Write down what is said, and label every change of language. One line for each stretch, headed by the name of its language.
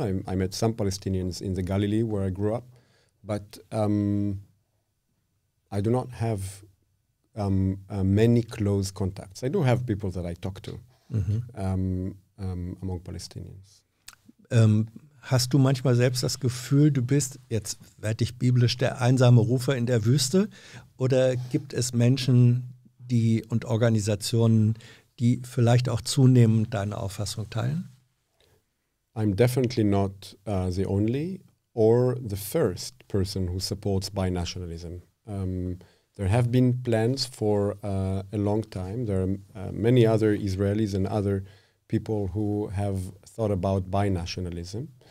English: I met some Palestinians in the Galilee where I grew up, but I do not have many close contacts. I do have people that I talk to among Palestinians.
German: Hast du manchmal selbst das Gefühl, du bist, jetzt werde ich biblisch, der einsame Rufer in der Wüste? Oder gibt es Menschen die und Organisationen, die vielleicht auch zunehmend deine Auffassung teilen?
English: I'm definitely not the only or the first person who supports binationalism. There have been plans for a long time. There are many other Israelis and other people who have thought about binationalism.